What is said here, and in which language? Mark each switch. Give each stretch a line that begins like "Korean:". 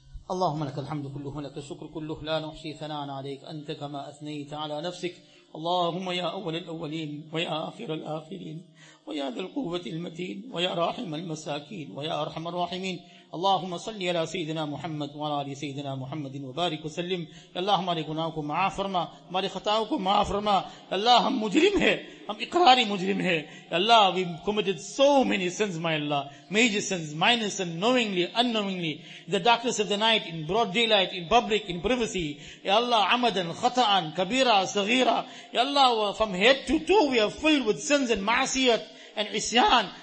Arabic: اللهم لك الحمد كله لك الشكر كله لا نحصي ثناء عليك أنت كما أثنيت على نفسك اللهم يا أول الأولين ويا آخر الآخرين ويا ذا القوة المتين ويا راحم المساكين ويا أرحم الراحمين اللهم صل على سيدنا محمد وعلى آل سيدنا محمد وبارك وسلم.
Urdu: اللهم ہمارے گناہوں کو معاف فرما, ہمارے خطاؤں کو معاف فرما. اللہ ہم مجرم ہیں, ہم اقراری مجرم ہیں.
English: اللہ we committed so many sins, my Allah, major sins, minor sins, knowingly, unknowingly, the darkness of the night, in broad daylight, in public, in privacy. Ya Allah,
Arabic: amadan, khata'an, kabira, saghira.
English: Ya Allah, from head to toe we are filled with sins and ma'asiyat and isyan.